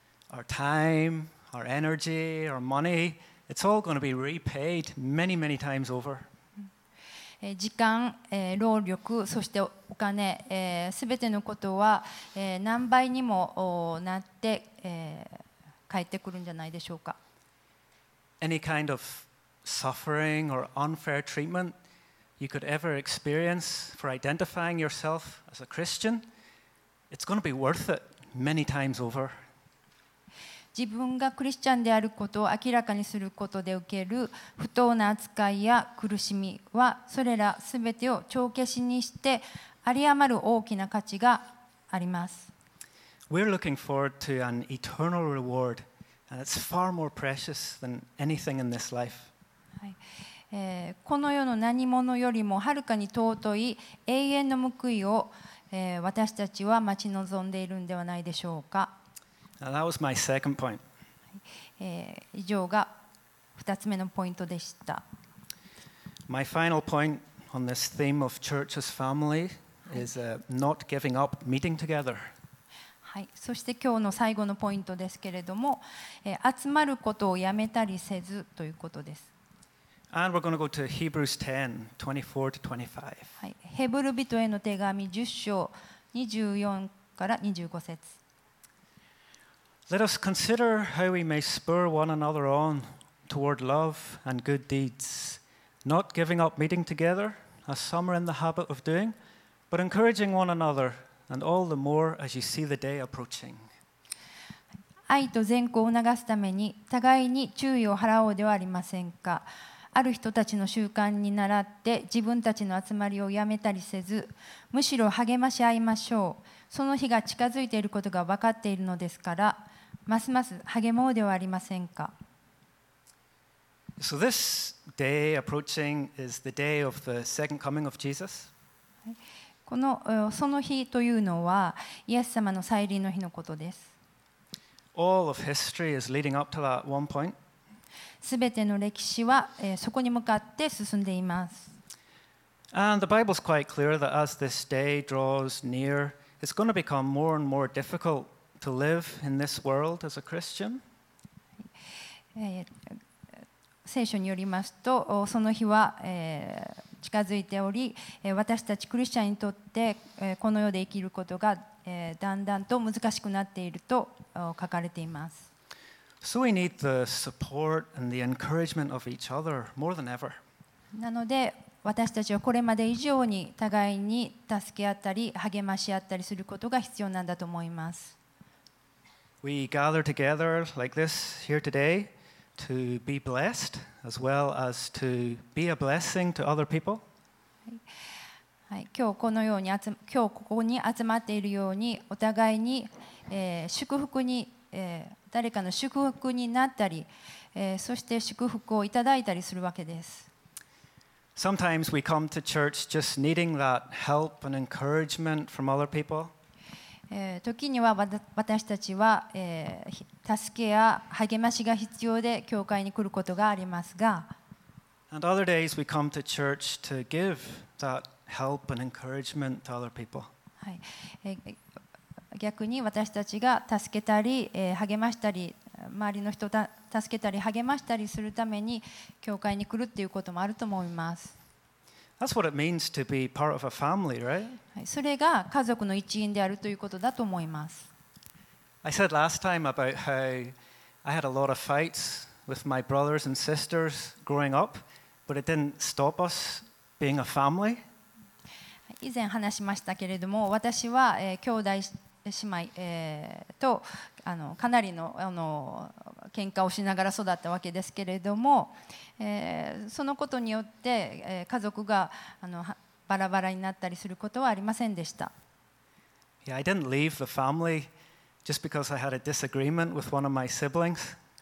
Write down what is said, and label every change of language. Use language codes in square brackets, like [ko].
[en] Our time, our energy, our money, it's all going to be repaid many, many times over. [ja] 時間、労力、そしてお金、すべてのことは、何倍にもなって、返ってくるんじゃないでしょうか。 [en] Any kind of suffering or unfair treatment you could ever experience for identifying yourself as a Christian, it's going to be worth it many times over. [ja] 自分がクリスチャンであることを明らかにすることで受ける不当な扱いや苦しみは、それらすべてを帳消しにして、あり余る大きな価値があります。 [en] We're looking forward to an eternal reward, and it's far more precious than anything in this life. [ja] この世の何者よりもはるかに尊い永遠の報いを、私たちは待ち望んでいるのではないでしょうか。 [en] Now that was my second point. [ja] 以上が2つ目のポイントでした。 [en] My final point on this theme of church as family is not giving up meeting together. [ja] はい、そして今日の最後のポイントですけれども、集まることをやめたりせずということです。 [en] And we're going to go to Hebrews 10, 24 to 25. [ja] ヘブル人への手紙10章24から25節。 [en] Let us consider how we may spur one another on toward love and good deeds, not giving up meeting together, as some are in the habit of doing, but encouraging one another, and all the more as you see the day approaching. [ja] 愛と善行を促すために互いに注意を払おうではありませんか。ある人たちの習慣に倣って自分たちの集まりをやめたりせず、むしろ励まし合いましょう。その日が近づいていることが分かっているのですから、ますます励もうではありませんか。 [en] So this day approaching is the day of the second coming of Jesus. [ja] このその日というのはイエス様の再臨の日のことです。 [en] All of history is leading up to that one point. [ja] すべての歴史はそこに向かって進んでいます。 [en] And the Bible is quite clear that as this day draws near, it's going to become more and more difficult to live in this world as a Christian. [ja] 聖書によりますと、その日は近づいており、私たちクリスチャンにとってこの世で生きることがだんだんと難しくなっていると書かれています。 [en] So we need the support and the encouragement of each other more than ever. [ja] なので私たちはこれまで以上に互いに助け合ったり励まし合ったりすることが必要なんだと思います。 [en] We gather together like this here today to be blessed as well as to be a blessing to other people. [ja] はい、今日このように今日ここに集まっているようにお互いに、祝福に、誰かの祝福になったり、そして祝福をいただいたりするわけです。 [en] Sometimes we come to church just needing that help and encouragement from other people. [ja] 時には私たちは、助けや励ましが必要で教会に来ることがありますが、 [en] And other days we come to church to give that help and encouragement to other people. [ja] はい。逆に私たちが助けたり励ましたり周りの人を助けたり励ましたりするために教会に来るっていうこともあると思います。 [en] That's what it means to be part of a family, right? [ja] それが家族の一員であるということだと思います。 [en] I said last time about how I had a lot of fights with my brothers and sisters growing up, but it didn't stop us being a family. [ja] 以前話しましたけれども、私は兄弟姉妹、とかなりの喧嘩をしながら育ったわけですけれども、そのことによって、家族がバラバラになったりすることはありませんでした。 [en] Yeah, I didn't leave the family just because I had a disagreement with one of my siblings.